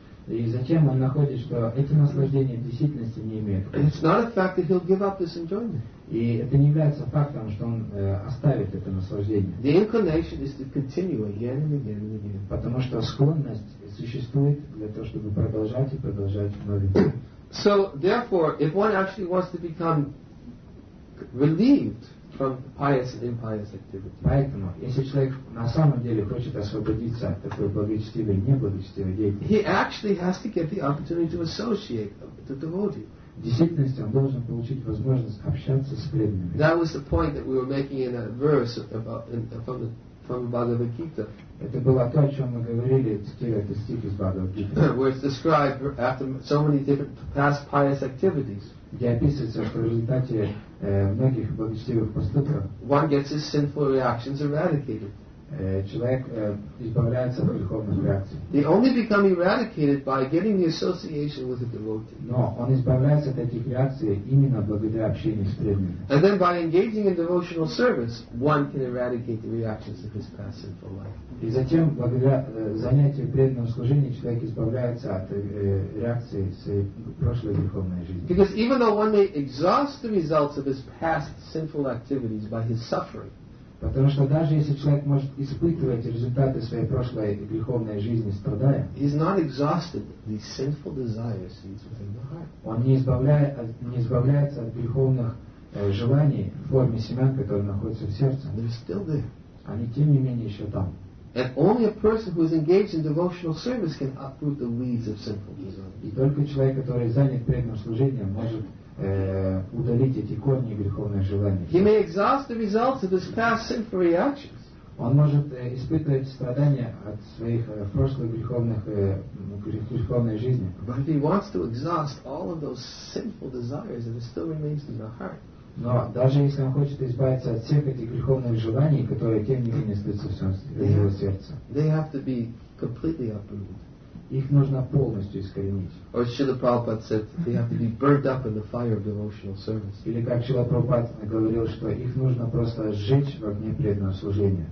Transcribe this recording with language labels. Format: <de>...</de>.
<ru>И затем он находит, что эти наслаждения в действительности не имеют.</ru> <en>It's not a fact that he'll give up this enjoyment.</en> <ru>И это не является фактом, что он оставит это наслаждение.</ru> <en>The inclination is to continue again and again and again.</en> <ru>Потому что склонность существует для того, чтобы продолжать и продолжать вновь.</ru> <en>So therefore, if one actually wants to become relieved from pious and impious activity,</en> <ru>поэтому, если человек на самом деле хочет освободиться от такой благочестивой и неблагочестивой деятельности,</ru> <en>he actually has to get the opportunity to associate the devotee.</en> <ru>В действительности он должен получить возможность общаться с преданными.</ru> <en>That was the point that we were making in that verse about from Bhagavad Gita.</en> <ru>Это было то, о чем мы говорили, цитируя этот стих из Бхагавад Гиты.</ru> <en>Where it's described after so many different past pious activities,</en> <ru>где описывается, что в результате многих благочестивых поступков,</ru> <en>one gets his sinful reactions eradicated.</en> <ru>Человек избавляется от греховных реакций.</ru> <en>They only become eradicated by getting the association with a devotee.</en> <ru>Но он избавляется от этих реакций именно благодаря общению с преданными.</ru> <en>And then by engaging in devotional service, one can eradicate the reactions of his past sinful life.</en> <ru>И затем благодаря занятию преданного служения человек избавляется от реакций своей прошлой греховной жизни.</ru> <en>Because even though one may exhaust the results of his past sinful activities by his suffering,</en> <ru>потому что даже если человек может испытывать результаты своей прошлой греховной жизни, страдая,</ru> <en>he's not exhausted the sinful desires within the heart.</en> <ru>Он не избавляется от греховных желаний в форме семян, которые находятся в сердце.</ru> <en>They're still there.</en> <ru>Они тем не менее еще там.</ru> <en>And only a person who is engaged in devotional service can uproot the weeds of sinful desires.</en> <ru>И только человек, который занят преданным служением, может удалить эти корни греховных желаний.</ru> <en>He may exhaust the results of his past sinful reactions.</en> <ru>Он может испытывать страдания от своих прошлых греховной жизни.</ru> <en>But he wants to exhaust all of those sinful desires that still remains in the heart.</en> <ru>Но даже если он хочет избавиться от всех этих греховных желаний, которые тем не менее остаются в его сердце,</ru> <en>they have to be completely uprooted.</en> <ru>их нужно полностью искоренить.</ru> <en>Or Srila Prabhupada said that they have to be burned up in the fire of devotional service.</en> <ru>Или как Шрила Прабхупада говорил, что их нужно просто сжечь в огне преданного служения.</ru>